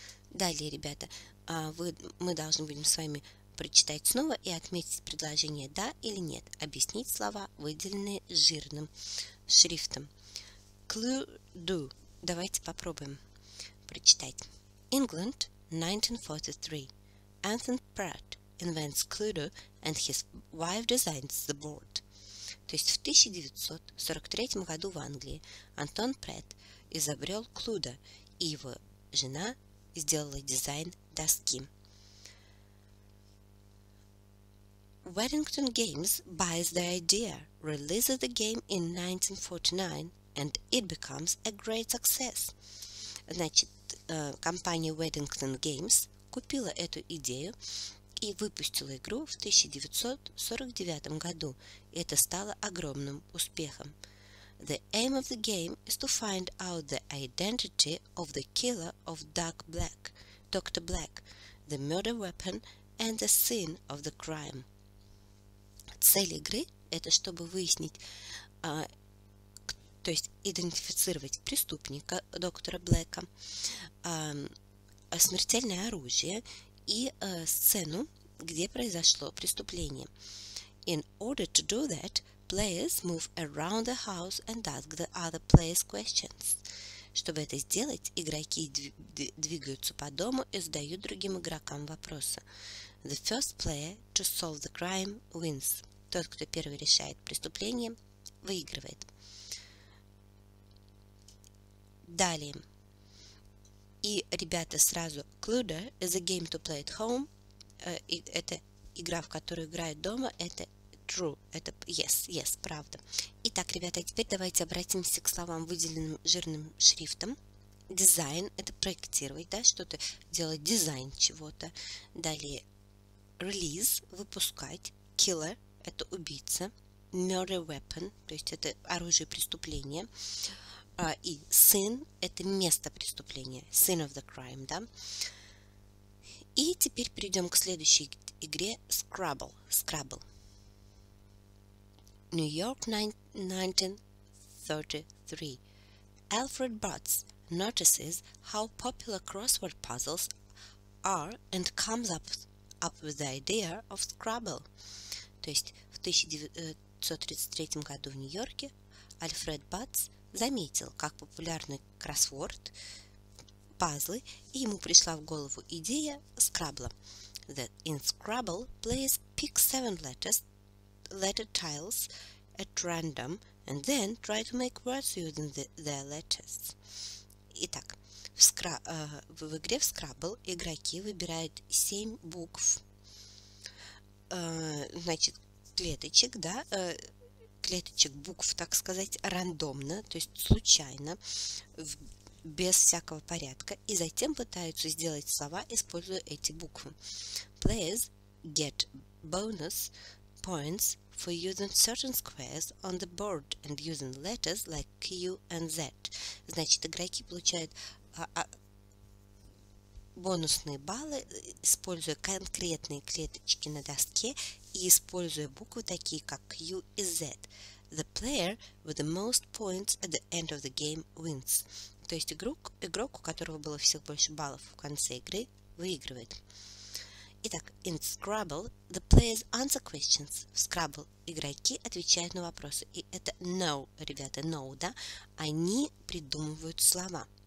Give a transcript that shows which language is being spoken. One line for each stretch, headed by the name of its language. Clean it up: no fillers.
Russian: Далее, ребята, мы должны будем с вами прочитать снова и отметить предложение «да» или «нет». Объяснить слова, выделенные жирным шрифтом.
English: Clue do.
Russian: Давайте попробуем прочитать.
English: England, 1943. Anthony Pratt invents Clue do and his wife designs the board.
Russian: То есть в 1943 году в Англии Антон Прэтт изобрел Клюдо, и его жена сделала дизайн доски.
English: Weddington Games buys the idea, releases the game in 1949, and it becomes a great success.
Russian: Значит, компания Weddington Games купила эту идею и выпустила игру в 1949 году, и это стало огромным успехом.
English: The aim of the game is to find out the identity of the killer of Dr. Black, the murder weapon and the scene of the crime.
Russian: Цель игры – это чтобы выяснить, то есть идентифицировать преступника доктора Блэка, смертельное оружие и сцену, где произошло преступление.
English: In order to do that, players move around the house and ask the other players questions.
Russian: Чтобы это сделать, игроки двигаются по дому и задают другим игрокам вопросы.
English: The first player to solve the crime wins.
Russian: Тот, кто первый решает преступление, выигрывает. Далее. И, ребята, сразу
English: Cluedo is a game to play at home.
Russian: Это игра, в которую играют дома, это true, это yes, правда. Итак, ребята, теперь давайте обратимся к словам, выделенным жирным шрифтом. Дизайн – это проектировать, да, что-то, делать дизайн чего-то. Далее
English: release,
Russian: выпускать,
English: killer,
Russian: это убийца,
English: murder weapon,
Russian: то есть это оружие преступления, и sin, это место преступления,
English: sin of the crime,
Russian: да. И теперь перейдем к следующей игре, Scrabble, Scrabble.
English: New York, 1933. Alfred Butts notices how popular crossword puzzles are and comes up with the idea of Scrabble.
Russian: То есть в 1933 году в Нью-Йорке Альфред Батс заметил, как популярны кроссворд, пазлы, и ему пришла в голову идея Scrabble.
English: That in Scrabble, players pick seven letter tiles at random and then try to make words using their letters.
Russian: Итак, в игре в Scrabble игроки выбирают 7 букв, значит, клеточек, да, клеточек букв, так сказать, рандомно, то есть случайно, без всякого порядка, и затем пытаются сделать слова, используя эти буквы.
English: Players get bonus points for using certain squares on the board and using letters like Q and Z.
Russian: Значит, игроки получают бонусные баллы, используя конкретные клеточки на доске и используя буквы такие как Q и Z.
English: The player with the most points at the end of the game wins.
Russian: То есть игрок, у которого было всех больше баллов в конце игры, выигрывает. Итак,
English: in Scrabble, the players answer questions.
Russian: В Scrabble игроки отвечают на вопросы. И это no, ребята, no, да? Они придумывают слова.